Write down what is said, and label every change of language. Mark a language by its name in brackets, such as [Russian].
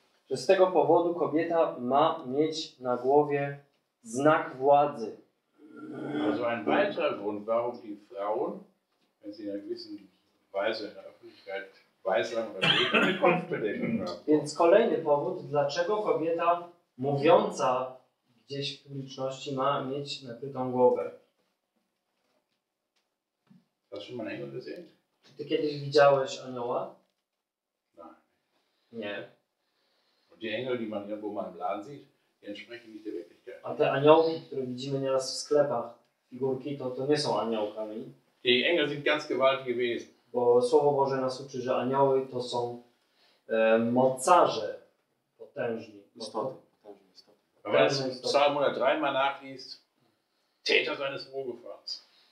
[Polish] Że z tego powodu kobieta ma mieć na głowie znak władzy. [German] Also ein weiterer Grund, warum die Frauen, wenn sie in einer gewissen Weise in der Öffentlichkeit weisen oder reden, die Kopfbedeckung haben. [Polish] Więc kolejny powód, dlaczego kobieta mówiąca gdzieś w publiczności ma mieć nakrytą głowę. [German] Hast du schon mal Engel gesehen? [Polish] Czy ty kiedyś widziałeś anioła? Nie. [German] Und die Engel, die man irgendwo mal im Laden sieht, die entsprechen nicht der Wirklichkeit. [Polish] A te aniołki, które widzimy nieraz w sklepach, figurki, to nie są aniołkami. [German] Die Engel sind ganz gewaltige Wesen. [Polish] Bo Słowo Boże nas uczy, że anioły to są mocarze potężni. Istoty. [German] Psalm 103 mal nachliest, Täter seines Wohlgefahrens.